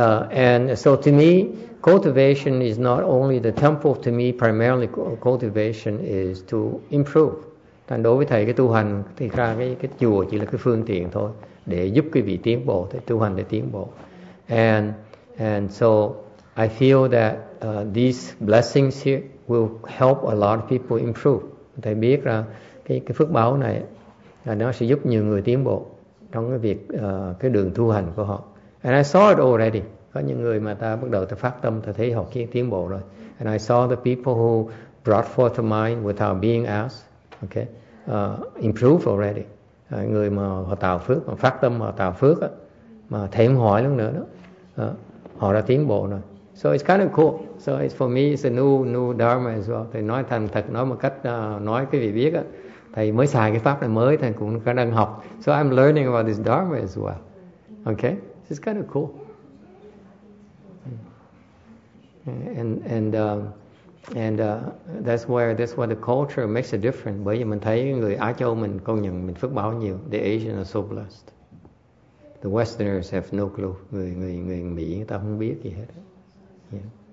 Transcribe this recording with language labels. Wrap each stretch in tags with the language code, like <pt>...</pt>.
<en>And so to me, cultivation is not only the temple. To me, primarily cultivation is to improve.</en> <vi>Thành đối với thầy, cái tu hành thì ra cái chùa chỉ là cái phương tiện thôi để giúp quý vị tiến bộ, thầy tu hành để tiến bộ.</vi> <en>And so I feel that these blessings here will help a lot of people improve.</en> <vi>Thầy biết là cái phước báo này là nó sẽ giúp nhiều người tiến bộ trong cái việc cái đường tu hành của họ.</vi> <en>And I saw it already.</en> <vi>Có những người mà ta bắt đầu ta phát tâm, ta thấy họ tiến bộ rồi.</vi> <en>And I saw the people who brought forth the mind without being asked, okay, improve already.</en> <vi>Người mà họ tạo phước, mà phát tâm mà tạo phước á, mà thêm hỏi luôn nữa đó, họ đã tiến bộ rồi.</vi> <en>So it's kind of cool. So it's for me, it's a new dharma as well.</en> <vi>Thầy nói thành thật, nói một cách nói quý vị biết á, thầy mới xài cái pháp này mới, thầy cũng đang học.</vi> <en>So I'm learning about this dharma as well. Okay. It's kind of cool. And that's why the culture makes a difference.</en> <vi>Bởi vì mình thấy người Á Châu mình công nhận mình phước báo nhiều.</vi> <en>The Asians are so blessed. The Westerners have no clue.</en> <vi>Người Mỹ người ta không biết gì hết. Yeah.</vi>